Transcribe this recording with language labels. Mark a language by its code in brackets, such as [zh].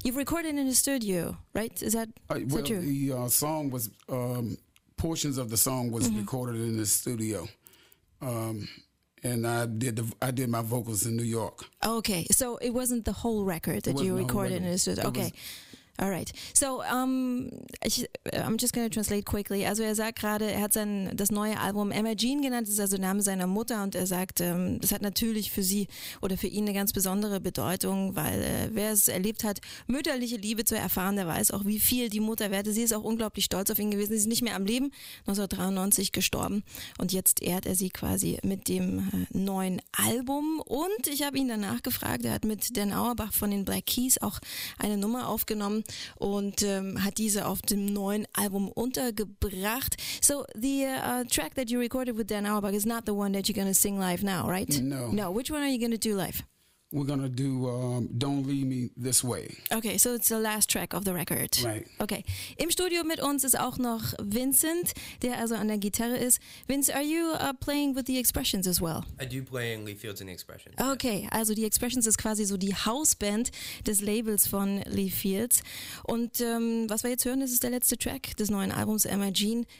[en] You've recorded in a studio, right? Is that true? Well, the song was, portions of the song was recorded in the studio. And I did my vocals in New York. Okay. So it wasn't the whole record that you recorded in a studio. Okay. All right. So I'm just going to translate quickly. [de] Also er sagt gerade, er hat das neue Album Emma Jean genannt, das ist also der Name seiner Mutter und er sagt, das hat natürlich für sie oder für ihn eine ganz besondere Bedeutung, weil wer es erlebt hat, mütterliche Liebe zu erfahren, der weiß auch, wie viel die Mutter wertet. Sie ist auch unglaublich stolz auf ihn gewesen. Sie ist nicht mehr am Leben, 1993 gestorben und jetzt ehrt er sie quasi mit dem neuen Album. Und ich habe ihn danach gefragt, er hat mit Dan Auerbach von den Black Keys auch eine Nummer aufgenommen und hat diese auf dem neuen Album untergebracht. [en] So the track that you recorded with Dan Auerbach is not the one that you're going to sing live now, right? No. No, which one are you going to do live? We're going to do Don't Leave Me This Way. Okay, so it's the last track of the record. Right. Okay. [de] Im Studio mit uns ist auch noch Vincent, der also an der Gitarre ist. [en] Vince, are you playing with the Expressions as well? I do play in Lee Fields and the Expressions. Okay, yes. [de] Also die Expressions ist quasi so die Hausband des Labels von Lee Fields. Und was wir jetzt hören, das ist der letzte Track des neuen Albums, Imagine.